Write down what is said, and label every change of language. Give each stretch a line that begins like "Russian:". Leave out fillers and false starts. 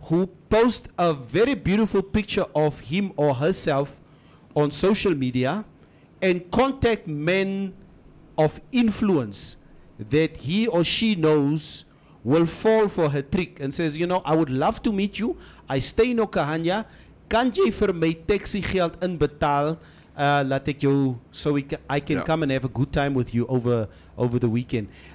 English: Who post a very beautiful picture of him or herself on social media and contact men of influence that he or she knows will fall for her trick and says, you know, I would love to meet you. I stay in Okahanya.
Afrikaans: Kan jy vir my taxi geld inbetaal? Laat ek jou,
English: so I can come and have a good time with you over the weekend.